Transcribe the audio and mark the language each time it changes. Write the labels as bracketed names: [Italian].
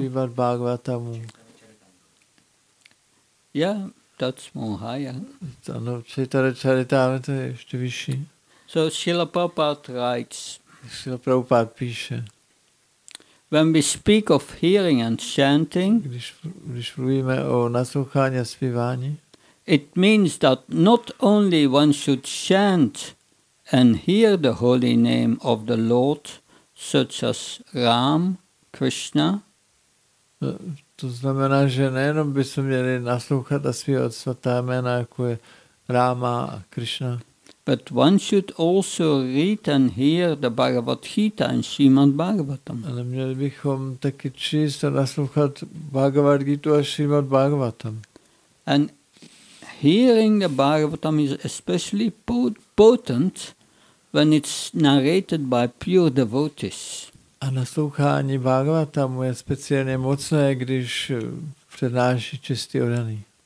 [English] Srimad Bhagavatam. Yeah, that's more higher. [Czech] Ano, Čaitarečaritámeta je ešte vyšší. [English] So Srila Prabhupada writes. [Czech] Srila Prabhupada píše. [English] When we speak of hearing and chanting, [Czech] když mluvíme o naslouchání a zpívání, [English] it means that not only one should chant and hear the holy name of the Lord, such as Ram, Krishna. [Czech] To znamená, že nejenom bychom měli naslouchat a zpívat svatá jména, jako je Rama a Krishna. [English] But one should also read and hear the Bhagavad Gita and Srimad Bhagavatam. [Czech] Ale měli bychom taky číst a naslouchat Bhagavad Gita a Srimad Bhagavatam. [English] And hearing the Bhagavatam is especially potent when it's narrated by pure devotees. [Czech] A naslouchání Bhagavatamu je speciálně mocné, když přednáší čistý oddaný.